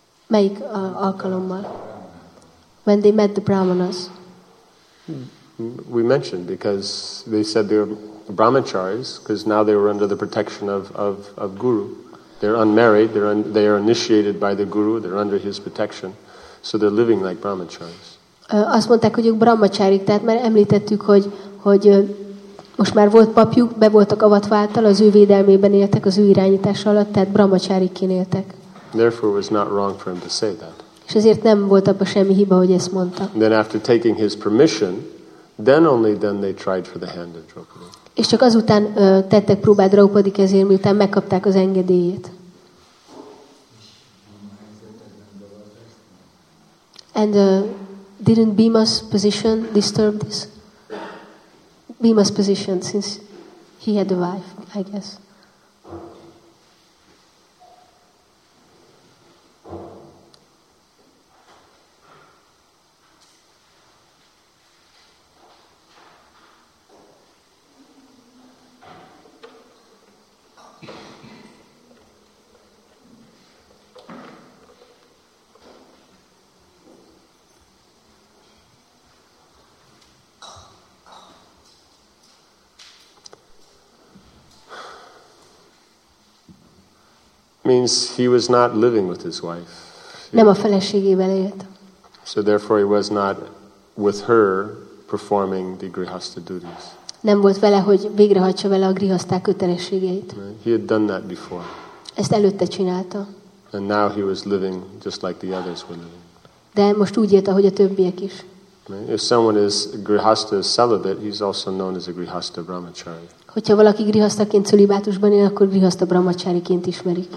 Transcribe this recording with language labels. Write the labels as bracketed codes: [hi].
[hu] Melyik alkalommal? [en] When they met the brahmanas. We mentioned because they said they were brahmacharis, because now they were under the protection of guru. They're unmarried, they are initiated by the guru, they're under his protection, so they're living like brahmacharis. [hu] Azt mondták, hogy ők brahmacharik, tehát már említettük, hogy most már volt papjuk, be voltak avatva által, az ő védelmében éltek, az ő irányítása alatt, tehát brahmacharikként éltek. [en] Therefore it was not wrong for him to say that. [hu] És ezért nem volt abban semmi hiba, hogy ezt mondta. [en] Then after taking his permission, then they tried for the hand of Draupadi. [hu] És csak azután tettek próbát Draupadi kezére, miután megkapták az engedélyét. [en] And didn't Bhima's position disturb this? Bhima's position, since he had a wife, I guess. Means he was not living with his wife. [hu] Nem a feleségével élt. [en] So therefore he was not with her performing the grihastha duties. [hu] Nem volt vele, hogy végrehajtsa vele a grihastha kötelességeit. [en] He had done that before. [hu] Ezt előtte csinálta. [en] And now he was living just like the others were living. [hu] De most úgy élt, ahogy a többiek is. [en] If someone is grihastha celibate, he's also known as a grihastha brahmachari. [hu] Hogyha valaki grihasztaként celibátusban él, akkor grihasztha brahmacháriként ismerik.